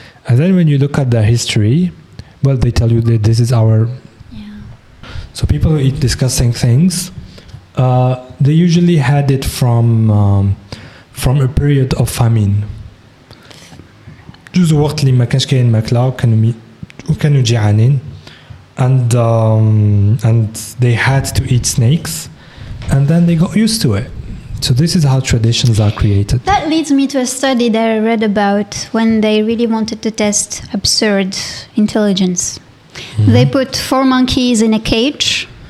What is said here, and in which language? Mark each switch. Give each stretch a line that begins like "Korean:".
English: And then when you look at the history, well, they tell you that this is our... Yeah. So people who eat disgusting things, they usually had it from a period of famine.
Arabic: جوز وقت اللي ما كانش كاين ماكلة وكانوا جيعانين.
English: And they had to eat snakes, and then they got used to it. So this is how traditions are created. That leads me to a study that I read about when they really wanted to test absurd intelligence. Mm-hmm. They put 4 monkeys in a cage.